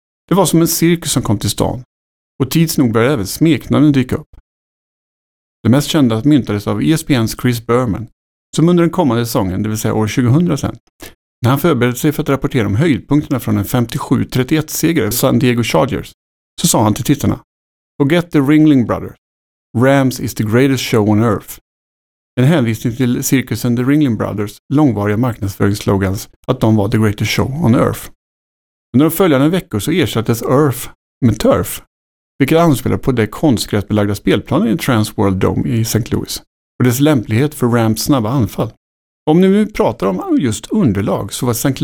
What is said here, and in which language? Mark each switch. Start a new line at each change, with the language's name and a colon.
Swedish: Det var som en cirkus som kom till stan. Och tids nog började även smeknamnen dyka upp. Det mest kända myntades av ESPN:s Chris Berman, som under den kommande säsongen, det vill säga år 2000 sen, när han förberedde sig för att rapportera om höjdpunkterna från en 57-31-seger över San Diego Chargers, så sa han till tittarna:
English: "Forget the Ringling Brothers. Rams is the greatest show on earth."
Swedish: En hänvisning till cirkusen The Ringling Brothers långvariga marknadsföringsslogans att de var
English: the greatest show on earth.
Swedish: Under de följande veckor så ersattes earth med turf, vilket anspelar på det konstgräsbelagda spelplanen i Trans World Dome i St. Louis och dess lämplighet för Rams snabba anfall. Om ni nu pratar om just underlag så var St.